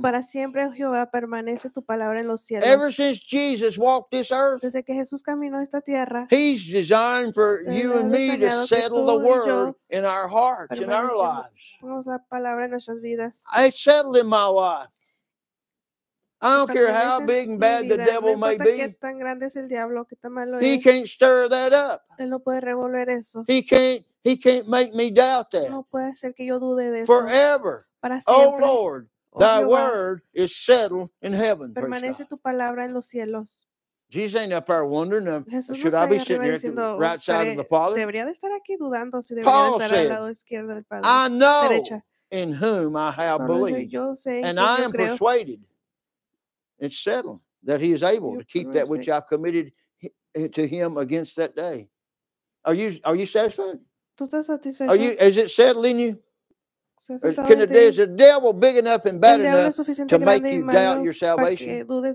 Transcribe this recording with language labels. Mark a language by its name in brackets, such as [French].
[Spanish] Para siempre, oh Jehová, permanece tu palabra en los cielos. [English] Ever since Jesus walked this earth, [Spanish] desde que Jesús caminó esta tierra, [English] he's designed for you and me to settle the word in our hearts, in our lives. [Spanish] La palabra en nuestras vidas. [English] I settled in my life. I don't care how big and bad the devil may be. [Spanish] Tan grande es el diablo, qué tan malo [English] he [Spanish] es. [English] Can't stir that up. [Spanish] Él no puede revolver eso. [English] He can't make me doubt that. [Spanish] No puede ser que yo dude de eso. [English] Forever. [Spanish] Para siempre. [English] Oh Lord, thy word is settled in heaven. [Spanish] Permanece tu palabra en los cielos. [English] Jesus ain't up there wondering, should I be sitting here at the right side of the Father? [Spanish] Debería de estar aquí dudando si debería estar al lado izquierdo del Padre. [English] I know in whom I have believed. And I am persuaded it's settled that he is able to keep that which I've committed to him against that day. Are you satisfied? Is it settled in you? Is the devil big enough and bad enough to make you doubt your salvation?